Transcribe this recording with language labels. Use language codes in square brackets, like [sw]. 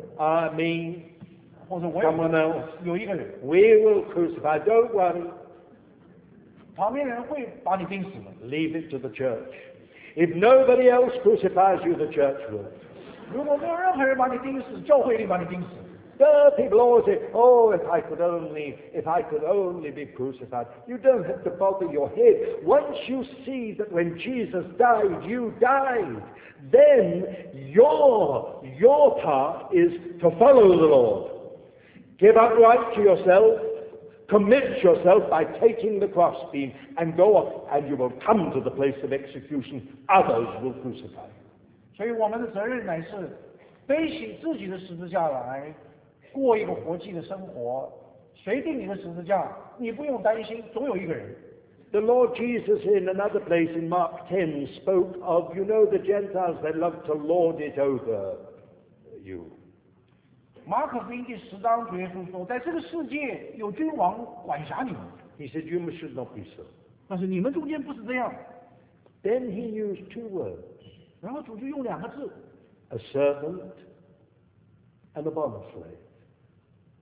[en] I mean. [zh] 或者我 [en] someone else. [zh] 有一个人。 [en] We will crucify. Don't worry. [zh] 旁边人会把你钉死吗 [en] ？Leave it to the church. If nobody else crucifies you, the church will. [zh] 如果没有任何人把你钉死，教会一定把你钉死。 [en] The people always say, "Oh, if I could only be crucified." You don't have to bother your head. Once you see that when Jesus died, you died, then your part is to follow the Lord. Give up right to yourself. Commit yourself by taking the cross beam and go up, and you will come to the place of execution. Others will crucify. [zh] 所以我们的责任乃是背起自己的十字架来过一个活祭的生活。谁钉你的十字架，你不用担心，总有一个人。 [en] The Lord Jesus in another place in Mark 10 spoke of, you know, the Gentiles that love to lord it over you. [zh] 马可福音第十章主耶稣说在这个世界有君王管辖你们 [en] He said you should not be so [zh] 但是你们中间不是这样 [en] Then he used two words [zh] 然后主就用两个字 [en] A servant and a bond slave